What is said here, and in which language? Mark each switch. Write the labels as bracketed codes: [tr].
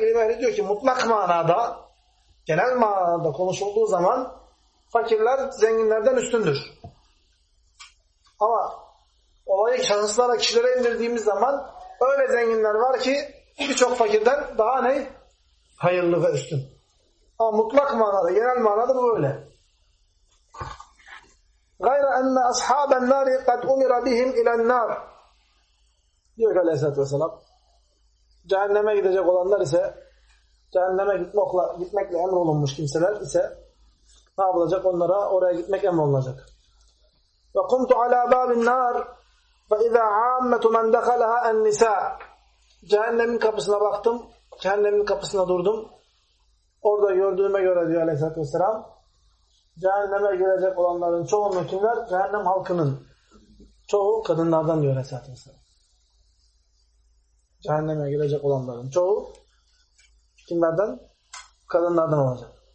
[tr] İlim ehli diyor ki mutlak manada, genel manada konuşulduğu zaman fakirler zenginlerden üstündür. Ama olayı şanslara, kişilere indirdiğimiz zaman öyle zenginler var ki birçok fakirden daha ne? Hayırlı ve üstün. Ama mutlak manada, genel manada bu öyle. [ar] غَيْرَ أَنَّ أَصْحَابَ النَّارِ قَدْ اُمِرَ بِهِمْ اِلَى النَّارِ [tr] diyor ki aleyhissalatü vesselam. Cehenneme gidecek olanlar ise, cehenneme gitmekle emrolunmuş kimseler ise, ne yapılacak onlara? Oraya gitmek emrolunacak. [ar] وَقُمْتُ عَلَى بَابِ النَّارِ فَإِذَا عَامَّتُ مَنْ دَخَلَهَا النِّسَاءِ [tr] cehennemin kapısına baktım, cehennemin kapısına durdum. Orada gördüğüme göre diyor aleyhissalatü vesselam, cehenneme girecek olanların çoğu mükünler, cehennem halkının çoğu kadınlardan diyor aleyhissalatü vesselam. Cehenneme girecek olanların çoğu kimlerden? Kadınlardan olacak.